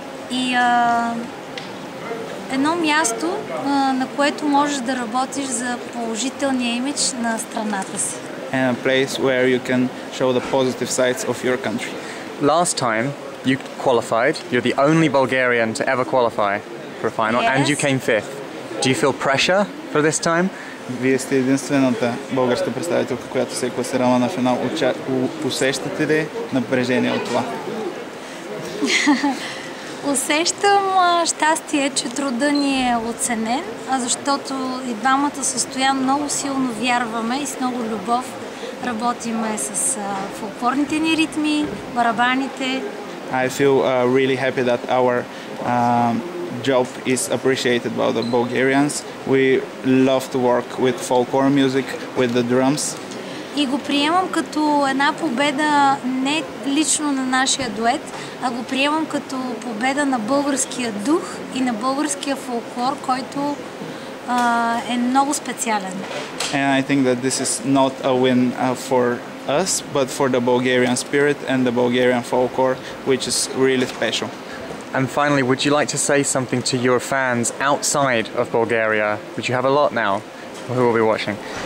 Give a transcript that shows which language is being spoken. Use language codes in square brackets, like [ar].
[bg] И едно място, на което можеш да работиш за положителния имидж на страната си. [en] And a place where you can show the positive sides of your country. Last time you qualified, you're the only Bulgarian to ever qualify for a final, yes. And you came fifth. Do you feel pressure for this time? [bg] Вие сте единствената българска представителка, която се е класирала на финал. Усещате ли напрежение от това? Усещам щастие, че трудът ни е оценен, а защото и двамата с Стоян много силно вярваме и с много любов работиме с фолклорните ни ритми, барабаните. [en] I feel really happy that our job is appreciated by the Bulgarians. We love to work with folklore music, with the drums. [bg] И го приемам като една победа не лично на нашия дует, а го приемам като победа на българския дух и на българския фолклор, който е много специален. [en] And I think that this is not a win for us, but for the Bulgarian spirit and the Bulgarian folklore, which is really special. And finally, would you like to say something to your fans outside of Bulgaria, which you have a lot now, who will be watching?